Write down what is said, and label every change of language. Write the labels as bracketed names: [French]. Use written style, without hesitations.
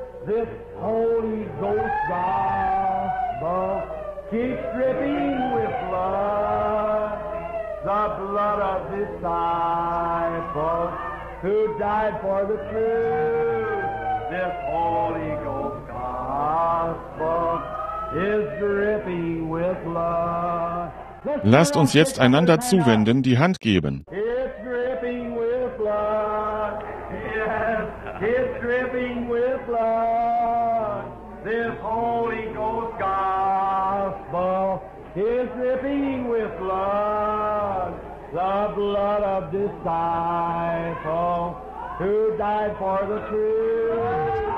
[English] This Holy Ghost gospel keeps dripping with blood. The blood of disciples who died for the truth. This Holy Ghost gospel is dripping with blood. [German] Lasst uns jetzt einander zuwenden, die Hand geben. [English] It's dripping with blood. Yes, it's dripping with blood. This Holy Ghost gospel is dripping with blood. The blood of disciples who died for the truth.